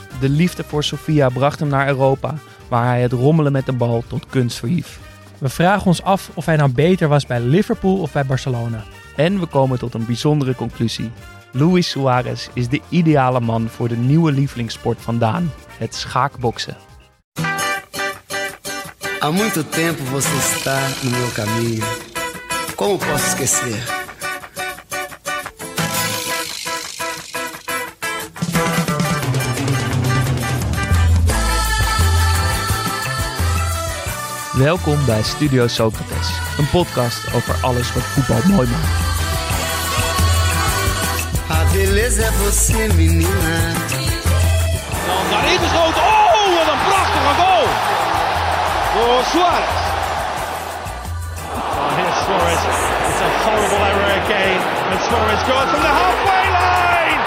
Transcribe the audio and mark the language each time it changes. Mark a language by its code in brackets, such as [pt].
[nl] De liefde voor Sofia bracht hem naar Europa, waar hij het rommelen met de bal tot kunst verhief. We vragen ons af of hij nou beter was bij Liverpool of bij Barcelona. En we komen tot een bijzondere conclusie. Luis Suarez is de ideale man voor de nieuwe lievelingssport van Daan, het schaakboksen. [pt] Há muito tempo você está no meu caminho. Como posso esquecer? [nl] Welkom bij Studio Socrates, een podcast over alles wat voetbal mooi maakt. [pt] A beleza é você, menina. [nl] Dan daarin geschoten. Oh, wat een prachtige goal! Door Suarez. [en] Oh, here's Suarez. It's a horrible error again. And Suarez scores from the halfway line.